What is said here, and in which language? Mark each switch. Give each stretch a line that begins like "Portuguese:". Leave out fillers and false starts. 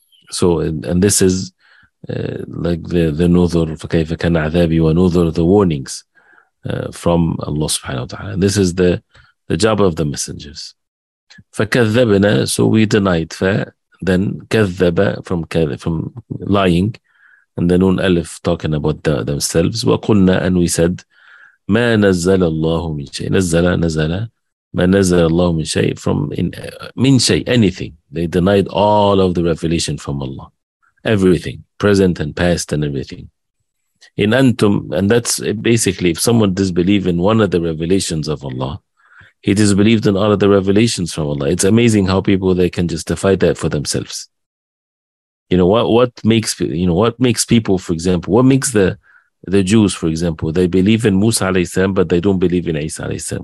English: So this is like the nudhur,
Arabic: فَكَيْفَ كَانَ عَذَابِي وَنُذُرُ,
English: the warnings from Allah subhanahu wa ta'ala. This is the job of the messengers. فَكَذَّبْنَا, so we denied, then كَذَّبَ, from lying, and the noon alif talking about themselves.
Arabic: وَقُلْنَا,
English: and we said,
Arabic: مَا نَزَّلَ اللَّهُ مِنْ شَيْءٍ, نَزَّلَ, مَا نَزَّلَ اللَّهُ مِنْ شَيْءٍ, from مِنْ شَيْءٍ,
English: anything. They denied all of the revelation from Allah. Everything, present and past and everything. In antum, and that's basically, if someone disbelieved in one of the revelations of Allah, he disbelieved in all of the revelations from Allah. It's amazing how people, they can justify that for themselves. You know, what makes people, for example, what makes the Jews, for example, they believe in Musa alayhi salam, but they don't believe in Isa alayhi salam.